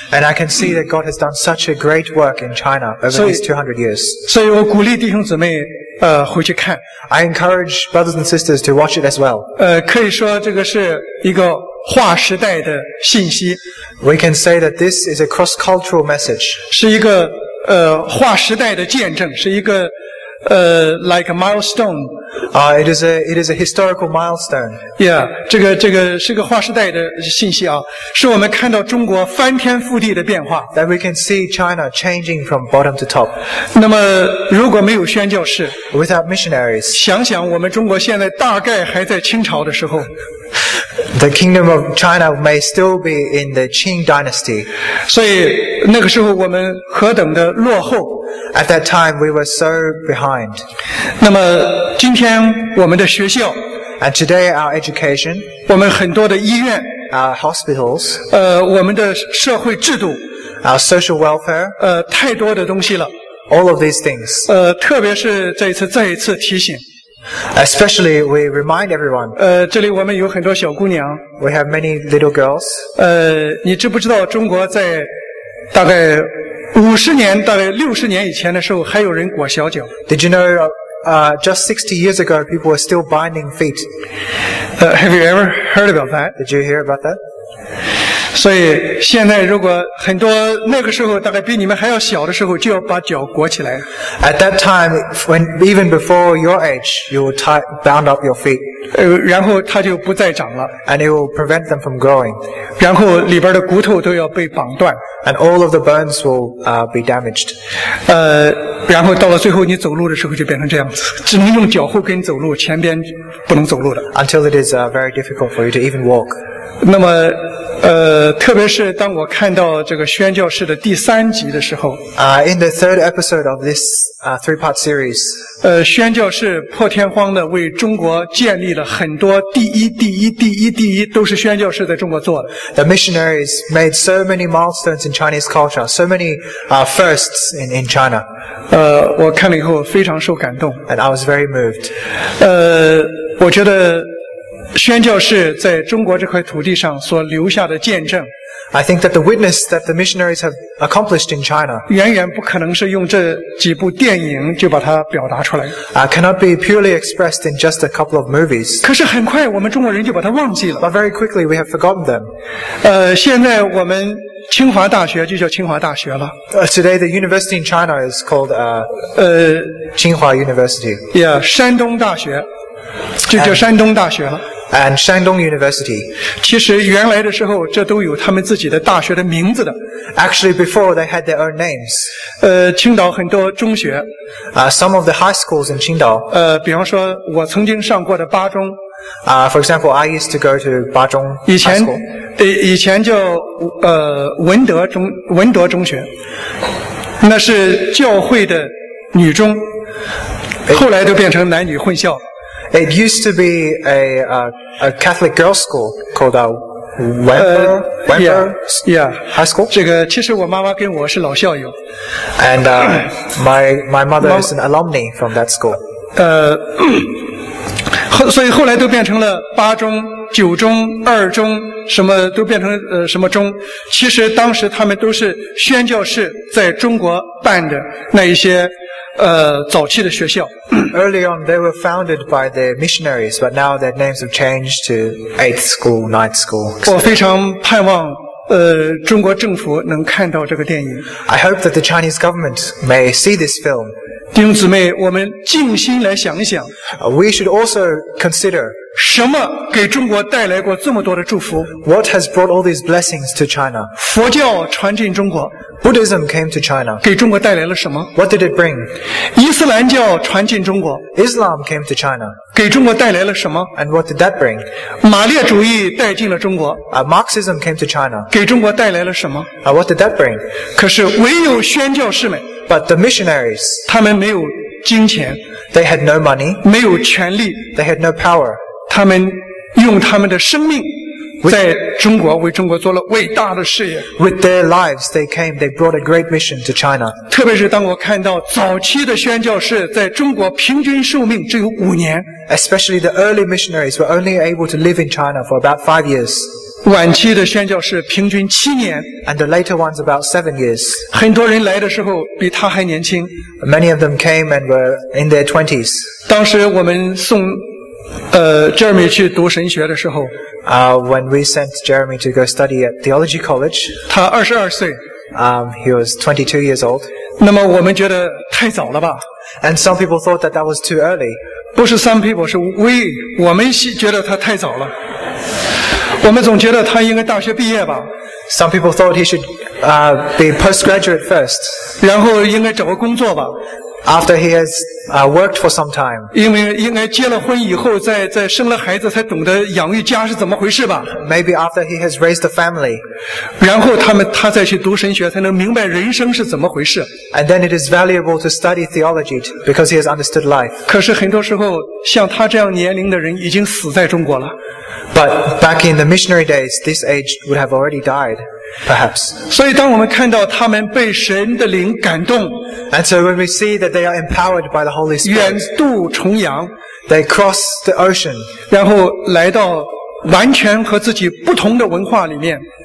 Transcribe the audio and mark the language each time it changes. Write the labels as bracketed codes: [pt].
[en] And I can see that God has done such a great work in China over these 200 years. [zh] 所以我鼓励弟兄姊妹回去看。 [en] I encourage brothers and sisters to watch it as well. [zh] 可以说这个是一个划时代的信息。 [en] We can say that this is a cross-cultural message. [zh] 是一个划时代的见证，是一个 [en] like a milestone. It is a historical milestone. [zh] Yeah, 这个是个划时代的信息啊，是我们看到中国翻天覆地的变化。 [en] That we can see China changing from bottom to top. [zh] 那么如果没有宣教士 [en] ，without missionaries， [zh] 想想我们中国现在大概还在清朝的时候。 [en] The kingdom of China may still be in the Qing dynasty. [zh] 所以那个时候我们何等的落后。 [en] At that time, we were so behind. [zh] 那么今天我们的学校。 [en] And today, our education. [zh] 我们很多的医院。 [en] Our hospitals. [zh] 我们的社会制度。 [en] Our social welfare. [zh] 太多的东西了。 [en] All of these things. [zh] 特别是再一次提醒。 [en] Especially, we remind everyone. [zh] 这里我们有很多小姑娘。 [en] We have many little girls. [zh] 你知不知道中国在大概50年、大概60年以前的时候，还有人裹小脚 [en] ？Did you know, just 60 years ago, people were still binding feet? Have you ever heard about that? Did you hear about that? [zh] 所以现在如果很多那个时候大概比你们还要小的时候，就要把脚裹起来。 [en] At that time, when even before your age, you would bound up your feet. [zh] 然后它就不再长了。 [en] And it will prevent them from growing. [zh] 然后里边的骨头都要被绑断。 [en] And all of the bones will be damaged. [zh] 然后到了最后你走路的时候就变成这样子，只能用脚后跟走路，前边不能走路的。 [en] Until it is very difficult for you to even walk. [zh] 那么特别是当我看到这个宣教士的第三集的时候 [en] in the third episode of this three-part series [zh] 宣教士破天荒的为中国建立了很多第一第一第一第一都是宣教士在中国做的 [en] The missionaries made so many milestones in Chinese culture so many firsts in China [zh] 我看了以后非常受感动 [en] And I was very moved [zh] 我觉得宣教士在中国这块土地上所留下的见证 [en] I think that the witness that the missionaries have accomplished in China [zh] 远远不可能是用这几部电影就把它表达出来 [en] cannot be purely expressed in just a couple of movies [zh] 可是很快我们中国人就把它忘记了 [en] but very quickly we have forgotten them [zh] 现在我们清华大学就叫清华大学了 [en] today the university in China is called 清华 university [zh] yeah 山东大学就叫山东大学了 [en] and 山东 University [zh] 其实原来的时候这都有他们自己的大学的名字的 [en] actually before they had their own names [zh] 青岛很多中学 [en] some of the high schools in 青岛 [zh] 比方说我曾经上过的八中 [en] for example I used to go to 八中 high school [zh] 以前叫文德中学那是教会的女中后来都变成男女混校 [en] It used to be a Catholic girls' school called High School. [zh] 这个其实我妈妈跟我是老校友。 [en] And my mother is an alumni from that school. [zh] 所以后来都变成了八中九中二中什么都变成什么中，其实当时他们都是宣教士在中国办的那一些早期的学校。 [en] Early on, they were founded by the missionaries, but now their names have changed to eighth school, ninth school. [zh] 我非常盼望中国政府能看到这个电影。 [en] I hope that the Chinese government may see this film. [zh] 弟兄姊妹，我们静心来想一想。 [en] We should also consider [zh] 什么给中国带来过这么多的祝福。 [en] What has brought all these blessings to China? [zh] 佛教传进中国。 [en] Buddhism came to China. [zh] 给中国带来了什么？ [en] What did it bring? [zh] 伊斯兰教传进中国。 [en] Islam came to China. [zh] 给中国带来了什么？ [en] And what did that bring? [zh] 马列主义带进了中国。 [en] Marxism came to China. [zh] 给中国带来了什么？ [en] What did that bring? [zh] 可是唯有宣教士们。 [en] But the missionaries. [zh] 他们没有金钱。 [en] They had no money. [zh] 没有权力。 [en] They had no power. [zh] 他们用他们的生命在中国为中国做了伟大的事业。 [en] With their lives, they came. They brought a great mission to China. [zh] 特别是当我看到早期的宣教士在中国平均寿命只有五年。 [en] Especially the early missionaries were only able to live in China for about 5 years. [zh] 晚期的宣教士平均七年。 [en] And the later ones about 7 years. [zh] 很多人来的时候比他还年轻。 [en] Many of them came and were in their 20s. [zh] 当时我们送Jeremy 去读神学的时候。 [en] When we sent Jeremy to go study at theology college, [zh] 他22岁。 [en] He was 22 years old. [zh] 那么我们觉得太早了吧。 [en] And some people thought that that was too early. [zh] 不是 [en] some people, [zh] 是 我们觉得他太早了。我们总觉得他应该大学毕业吧。 [en] Some people thought he should be postgraduate first. [zh] 然后应该找个工作吧。 [en] After he has worked for some time. [zh] 因为应该结了婚以后再生了孩子才懂得养育家是怎么回事吧。 [en] Maybe after he has raised a family. [zh] 然后他再去读神学才能明白人生是怎么回事。 [en] And then it is valuable to study theology because he has understood life. [zh] 可是很多时候像他这样年龄的人已经死在中国了。 [en] But back in the missionary days, this age would have already died. Perhaps. [zh] 所以当我们看到他们被神的灵感动。 [en] And so when we see that they are empowered by the Holy Spirit, [zh] 远渡重洋, [en] they cross the ocean, [zh] 然后来到完全和自己不同的文化里面,